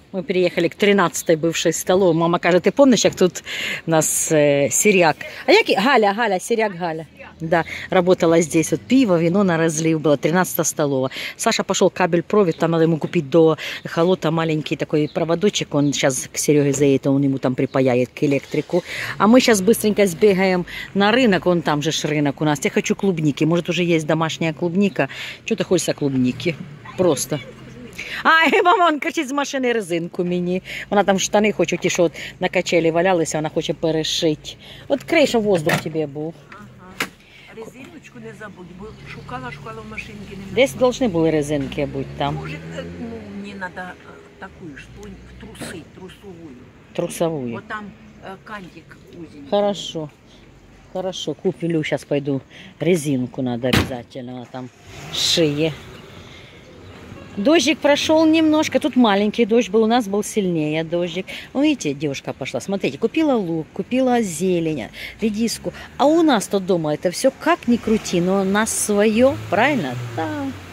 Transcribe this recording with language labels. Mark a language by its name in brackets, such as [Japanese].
[Russian] Мы переехали к 13-й бывшей столовой. [Ukrainian] Мама каже, ти помниш, як тут у нас сіряк? [Russian] А як Галя, сіряк Галя. Да, работала здесь. Вот пиво, вино на разлив было. [Ukrainian] 13-та столова. [Russian] Саша пошел кабель-провід, там надо ему купить до холота маленький такой проводочек. Он сейчас к Сереге заедет, он ему там припаяет к электрику. А мы сейчас быстренько сбегаем на рынок. Вон там же ж рынок у нас. Я хочу клубники. Может, уже есть домашняя клубника. Что-то хочется клубники. Просто. [Ukrainian] Ай, мама, он кричит з машини резинку мені. Вона там штани хоче, ті, що от на качелі валялися, вона хоче перешити. От крий, щоб воздух тобі був. Ага. Резиночку не забудь, бо шукала в машинці. Десь повинні були резинки бути там. Може, ну, мені треба таку штуку в труси, трусовую. [Russian] Трусовую. [Ukrainian] От там кантик узенький. [Russian] Хорошо. Хорошо, куплю, зараз пойду. [Ukrainian] Резинку треба обов'язково, вона там шиє. [Russian] Дождик прошел немножко, тут маленький дождь был, у нас был сильнее дождик. Видите, девушка пошла, смотрите, купила лук, купила зелень, редиску. А у нас тут дома это все как ни крути, но у нас свое, правильно? Да.